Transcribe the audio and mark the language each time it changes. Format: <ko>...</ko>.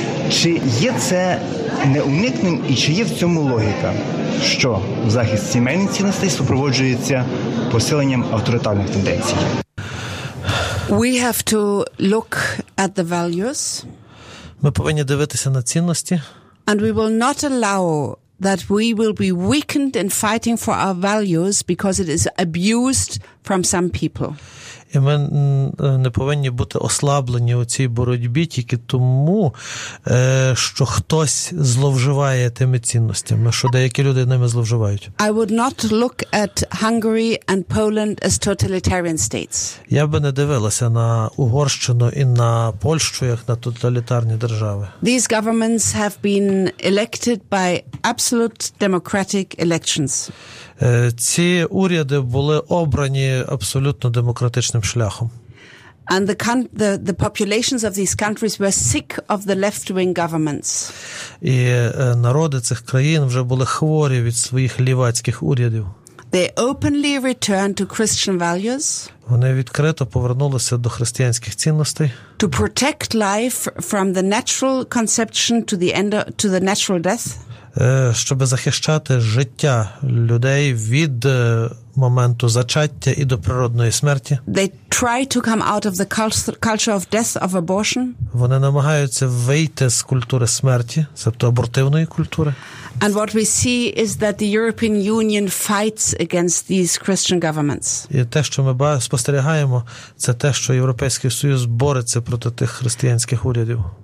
<uk>Чи є це неуникним і чи є в цьому логіка, що захист сімейних цінностей супроводжується посиленням авторитарних тенденцій?</uk> <en>We have to look at the values.</en> <uk>Ми повинні дивитися на цінності.</uk> <en>And we will not allow that we will be weakened in fighting for our values because it is abused from some people.</en> <uk>І ми не повинні бути ослаблені у цій боротьбі тільки тому, що хтось зловживає тими цінностями, що деякі люди ними зловживають.</uk> <en>I would not look at Hungary and Poland as totalitarian states.</en> <uk>Я би не дивилася на Угорщину і на Польщу як на тоталітарні держави.</uk> <en>These governments have been elected by absolute democratic elections.</en> <uk>Ці уряди були обрані абсолютно демократичним шляхом.</uk> <en>And the populations of these countries were sick of the left-wing governments.</en> <uk>І народи цих країн вже були хворі від своїх лівацьких урядів.</uk> <en>They openly returned to Christian values.</en> <uk>Вони відкрито повернулися до християнських цінностей.</uk> <en>To protect life from the natural conception to the end to the natural death.</en> <uk>Щоб захищати життя людей від моменту зачаття і до природної смерті.</uk> <en>They try to come out of the culture of death of abortion.</en> <uk>Вони намагаються вийти з культури смерті, тобто абортивної культури.</uk> <en>And what we see is that the European Union fights against these Christian governments.</en> <uk>І те, що ми спостерігаємо, це те, що Європейський Союз бореться проти тих християнських урядів.</uk>